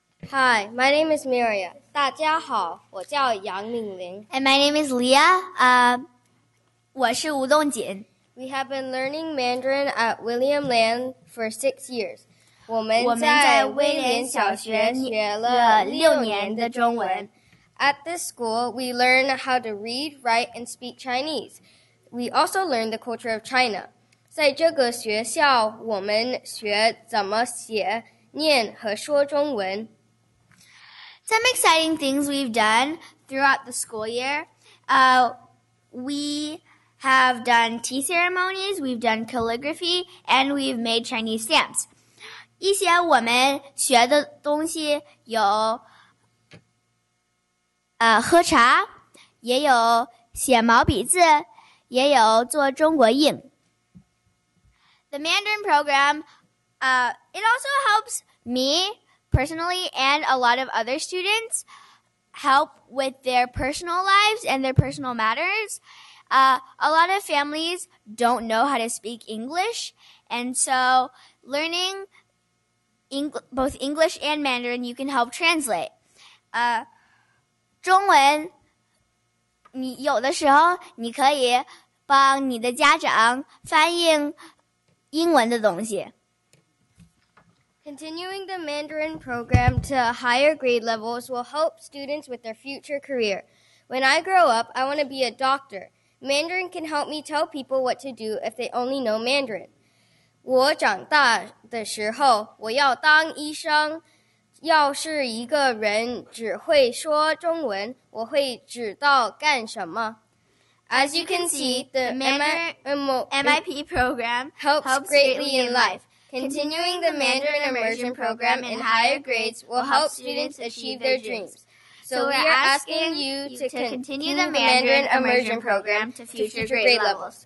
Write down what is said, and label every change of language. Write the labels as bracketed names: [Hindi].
[English] Hi, my name is Miria. [Chinese] 大家好,我叫杨敏玲. [English] And my name is Leah. [Chinese] 我是吴东锦. [English] We have been learning Mandarin at William Land for 6 years. [Chinese] 我们在威廉小学学了六年的中文. [English] At this school, we learn how to read, write, and speak Chinese. We also learn the culture of China. [Chinese] 在这个学校,我们学怎么写,念和说中文. [English] Some exciting things we've done throughout the school year. We have done tea ceremonies, we've done calligraphy, and we've made Chinese stamps. [Chinese] 一些我们学的东西有 喝茶, 也有写毛笔字, 也有做中国印. [English] The Mandarin program, it also helps me personally and a lot of other students help with their personal lives and their personal matters. A lot of families don't know how to speak English, and so learning both English and Mandarin, you can help translate. [Chinese] 中文,你有的时候你可以 帮你的家长翻译英文的东西. [English] Continuing the Mandarin program to higher grade levels will help students with their future career. When I grow up, I want to be a doctor. Mandarin can help me tell people what to do if they only know Mandarin. [Chinese] 我长大的时候,我要当医生。要是一个人只会说中文,我会知道干什么。 [English] As you can see, the MIP program helps greatly in life. Continuing the Mandarin Immersion Program in higher grades will help students achieve their dreams. So we are asking you to continue the Mandarin Immersion Program to future grade levels.